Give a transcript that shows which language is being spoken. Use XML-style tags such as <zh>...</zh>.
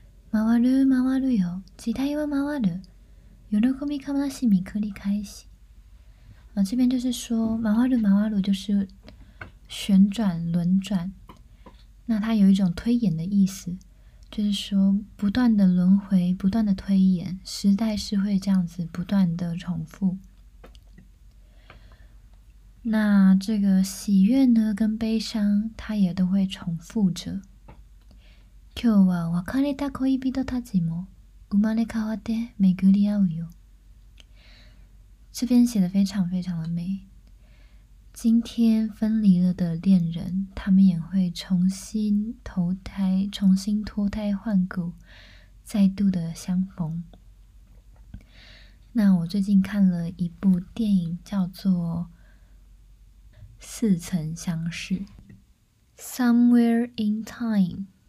<ja>回る回るよ時代は回る喜び悲しみ繰り返し、</ja> <zh>这边就是说回る回る就是旋转轮转，那它有一种推演的意思，就是说不断的轮回不断的推演，时代是会这样子不断的重复。那这个喜悦呢跟悲伤它也都会重复着。</zh> <ja>今日は別れた恋人たちも生まれ変わって巡り合うよ。</ja> <zh>这边写的非常非常的美。今天分离了的恋人，他们也会重新投胎，重新脱胎换骨，再度的相逢。那我最近看了一部电影，叫做《似曾相识》（Somewhere in Time）。</zh>